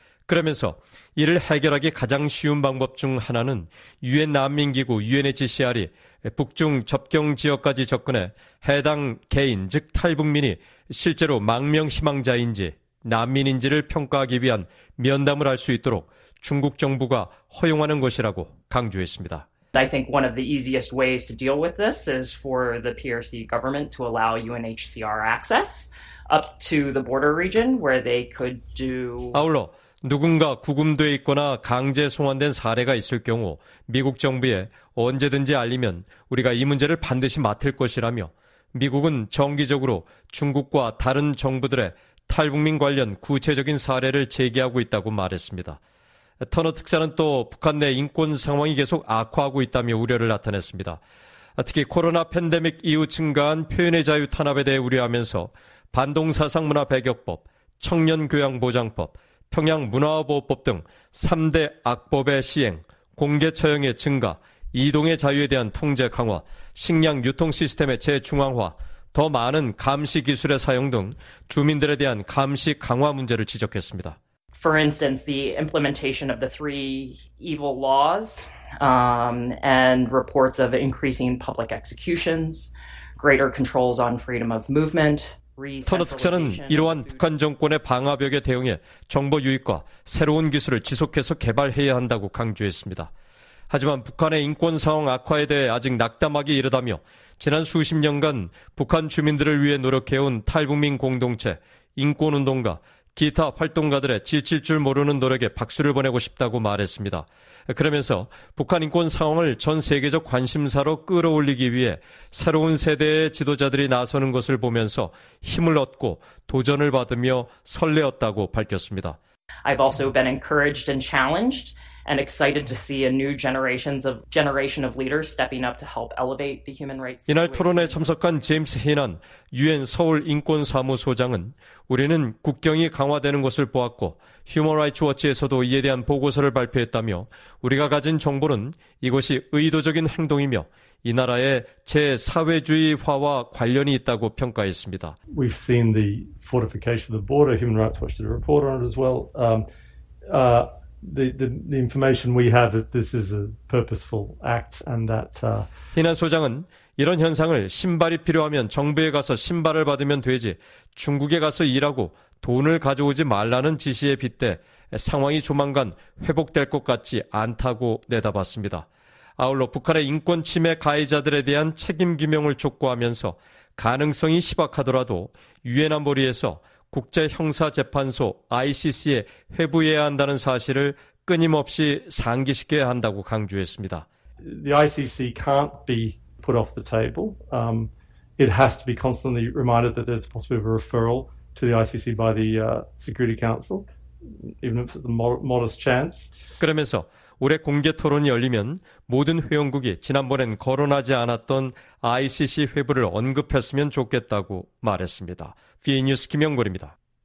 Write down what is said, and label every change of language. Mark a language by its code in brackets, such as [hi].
[ko] 그러면서 이를 해결하기 가장 쉬운 방법 중 하나는 유엔 난민기구 UNHCR이 북중 접경 지역까지 접근해 해당 개인, 즉 탈북민이 실제로 망명 희망자인지 난민인지를 평가하기 위한 면담을 할 수 있도록 중국 정부가 허용하는 것이라고 강조했습니다. [en] I think one of the easiest ways to deal with this is for the PRC government to allow UNHCR access up to the border region where they could do [ko] 아울러 누군가 구금돼 있거나 강제 송환된 사례가 있을 경우 미국 정부에 언제든지 알리면 우리가 이 문제를 반드시 맡을 것이라며 미국은 정기적으로 중국과 다른 정부들의 탈북민 관련 구체적인 사례를 제기하고 있다고 말했습니다. 터너 특사는 또 북한 내 인권 상황이 계속 악화하고 있다며 우려를 나타냈습니다. 특히 코로나 팬데믹 이후 증가한 표현의 자유 탄압에 대해 우려하면서 반동사상문화배격법, 청년교양보장법, 평양문화보호법 등 3대 악법의 시행, 공개 처형의 증가, 이동의 자유에 대한 통제 강화, 식량 유통 시스템의 재중앙화, 더 많은 감시 기술의 사용 등 주민들에 대한 감시 강화 문제를 지적했습니다. [en] For instance, the implementation of the three evil laws and reports of increasing public executions, greater controls on freedom of movement. [ko] 터너 특사는 이러한 북한 정권의 방화벽에 대응해 정보 유입과 새로운 기술을 지속해서 개발해야 한다고 강조했습니다. 하지만 북한의 인권 상황 악화에 대해 아직 낙담하기 이르다며 지난 수십 년간 북한 주민들을 위해 노력해온 탈북민 공동체, 인권운동가, 기타 활동가들의 지칠 줄 모르는 노력에 박수를 보내고 싶다고 말했습니다. 그러면서 북한 인권 상황을 전 세계적 관심사로 끌어올리기 위해 새로운 세대의 지도자들이 나서는 것을 보면서 힘을 얻고 도전을 받으며 설레었다고 밝혔습니다. [en] I've also been encouraged and challenged and excited to see a new generation of leaders stepping up to help elevate the human rights. [ko] 이날 토론에 참석한 제임스 히넌 유엔 서울 인권 사무소장은 우리는 국경이 강화되는 것을 보았고 휴먼 라이츠 워치에서도 이에 대한 보고서를 발표했다며 우리가 가진 정보는 이것이 의도적인 행동이며 이 나라의 제사회주의화와 관련이 있다고 평가했습니다. [en] We've seen the fortification of the border. Human Rights Watch did a report on it as well. the information we have that this is a purposeful act and that [ko] 희난 소장은 이런 현상을 신발이 필요하면 정부에 가서 신발을 받으면 되지 중국에 가서 일하고 돈을 가져오지 말라는 지시에 빗대 상황이 조만간 회복될 것 같지 않다고 내다봤습니다. 아울러 북한의 인권 침해 가해자들에 대한 책임 규명을 촉구하면서 가능성이 희박하더라도 유엔 안보리에서 국제형사재판소 ICC에 회부해야 한다는 사실을 끊임없이 상기시켜야 한다고 강조했습니다. [en] The ICC can't be put off the table. It has to be constantly reminded that there's possibly a referral to the ICC by the Security Council, even if it's a modest chance. [ko] 그러면서 올해 공개 토론이 열리면 모든 회원국이 지난번엔 거론하지 않았던 ICC 회부를 언급했으면 좋겠다고 말했습니다. VN 뉴스 김영걸입니다.